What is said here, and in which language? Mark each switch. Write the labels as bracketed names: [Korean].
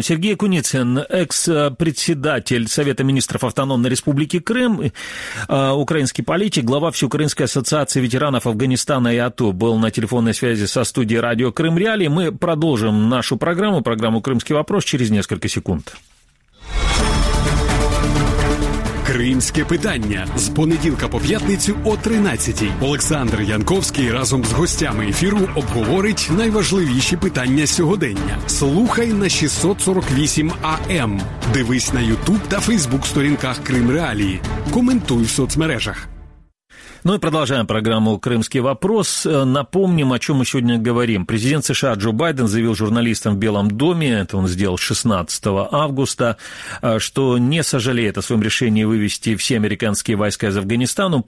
[Russian] Сергей Куницын, экс-председатель Совета министров Автономной Республики Крым, украинский политик, глава Всеукраинской ассоциации ветеранов Афганистана и АТО, был на телефонной связи со студией радио «Крым Реалии». Мы продолжим нашу программу, программу «Крымский вопрос» через несколько секунд. [Ukrainian] Кримське питання з понеділка по п'ятницю о 13:00. Олександр Янковський разом з гостями ефіру обговорить найважливіші питання сьогодення. Слухай на 648 АМ. Дивись на YouTube та Facebook сторінках Крим Реалії. Коментуй в соцмережах. [Russian] Ну и продолжаем программу «Крымский вопрос». Напомним, о чем мы сегодня говорим. Президент США Джо Байден заявил журналистам в Белом доме, это он сделал 16 августа, что не сожалеет о своем решении вывести все американские войска из Афганистана.